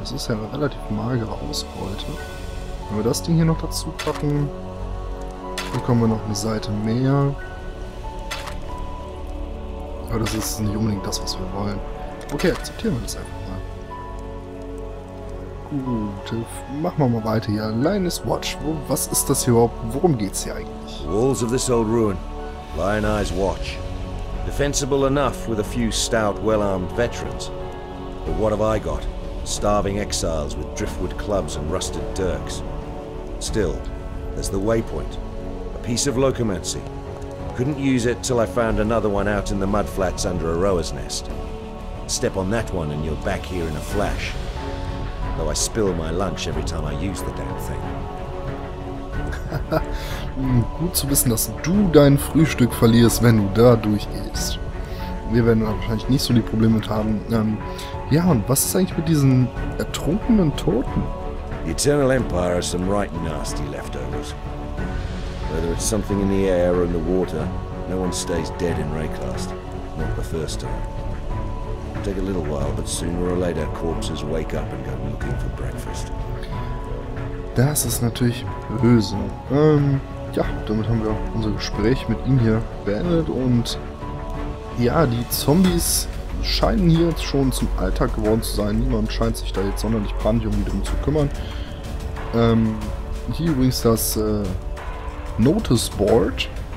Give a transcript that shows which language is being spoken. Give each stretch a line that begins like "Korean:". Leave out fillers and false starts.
German: Das ist ja eine relativ magere Ausbeute. Wenn wir das Ding hier noch dazu packen, bekommen wir noch eine Seite mehr. Aber das ist nicht unbedingt das, was wir wollen. Okay, akzeptieren wir das einfach mal. Gut, machen wir mal weiter hier. Lioness Watch, was ist das hier überhaupt? Worum geht's hier eigentlich?
English: Walls of this old ruin. Lioness Watch. Defensible enough with a few stout, well-armed veterans. But what have I got? Starving exiles with driftwood clubs and rusted dirks. Still, there's the waypoint. A piece of locomancy. Couldn't use it till I found another one out in the mudflats under a rower's nest. Step on that one and you're back here in a flash. Though I spill my lunch every time I use the damn thing.
German: Gut zu wissen, dass du dein Frühstück verlierst, wenn du da durchgehst. Wir werden wahrscheinlich nicht so die Probleme mit haben. Ja, und was ist eigentlich mit diesen ertrunkenen Toten?
English: The Eternal Empire has some right nasty leftovers. Whether it's something in the air or in the water, no one stays dead in Raycast. Not the first time. It'll take a little while, but sooner or later corpses wake up and go looking for breakfast.
German: Das ist natürlich böse. Ja, damit haben wir unser Gespräch mit ihm hier beendet und ja, die Zombies scheinen hier jetzt schon zum Alltag geworden zu sein. Niemand scheint sich da jetzt sonderlich brandjung drum zu kümmern. Hier übrigens das Notice Board.